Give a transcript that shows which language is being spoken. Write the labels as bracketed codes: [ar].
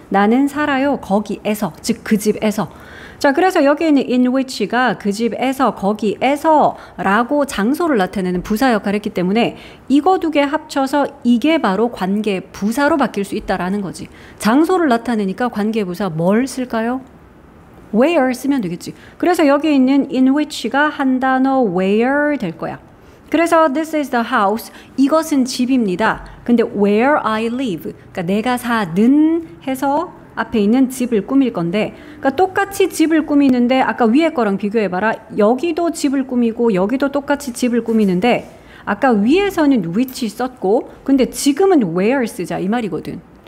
[ko] 나는 살아요 거기에서, 즉 그 집에서. 자, 그래서 여기 있는 in which가 그 집에서, 거기에서 라고 장소를 나타내는 부사 역할을 했기 때문에 이거 두 개 합쳐서 이게 바로 관계 부사로 바뀔 수 있다라는 거지. 장소를 나타내니까 관계 부사 뭘 쓸까요? where 쓰면 되겠지. 그래서 여기 있는 in which가 한 단어 where 될 거야. 그래서 [en] this is the house. [ko] 이것은 집입니다. 근데 [en] where I live. [ko] 그러니까 내가 사는 해서 앞에 있는 집을 꾸밀 건데 그러니까 똑같이 집을 꾸미는데 아까 위에 거랑 비교해봐라. 여기도 집을 꾸미고 여기도 똑같이 집을 꾸미는데 아까 위에서는 which 썼고 근데 지금은 where 쓰자 이 말이거든.